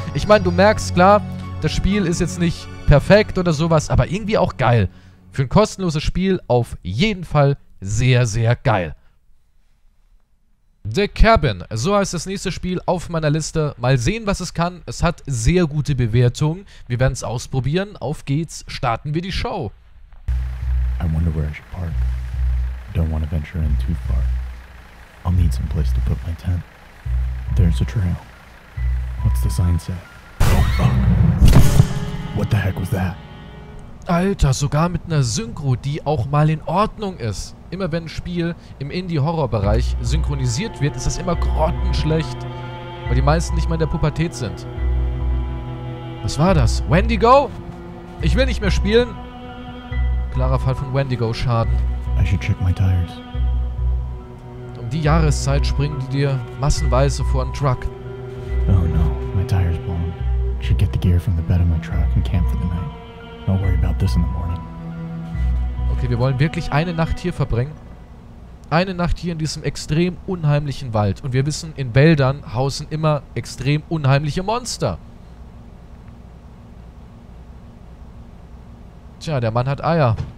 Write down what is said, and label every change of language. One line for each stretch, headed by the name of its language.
German: Ich meine, du merkst, klar, das Spiel ist jetzt nicht perfekt oder sowas, aber irgendwie auch geil. Für ein kostenloses Spiel auf jeden Fall sehr, sehr geil. The Cabin. So heißt das nächste Spiel auf meiner Liste. Mal sehen, was es kann. Es hat sehr gute Bewertungen. Wir werden es ausprobieren. Auf geht's. Starten wir die Show.
English: I wonder where I should park. Don't want to venture in too far. I'll need some place to put my tent. There's a trail. What's the sign say? Oh, fuck. What the heck was that?
German: Alter, sogar mit einer Synchro, die auch mal in Ordnung ist. Immer wenn ein Spiel im Indie-Horror-Bereich synchronisiert wird, ist das immer grottenschlecht. Weil die meisten nicht mal in der Pubertät sind. Was war das? Wendigo? Ich will nicht mehr spielen. Klarer Fall von Wendigo-Schaden.
English: I should check my tires.
German: Um die Jahreszeit springen die dir massenweise vor einen Truck.
English: Oh no, my tires blown. Should get the gear from the bed of my truck and camp for the night. Don't worry about this in the morning.
German: Okay, wir wollen wirklich eine Nacht hier verbringen. Eine Nacht hier in diesem extrem unheimlichen Wald. Und wir wissen, in Wäldern hausen immer extrem unheimliche Monster. Tja, der Mann hat Eier.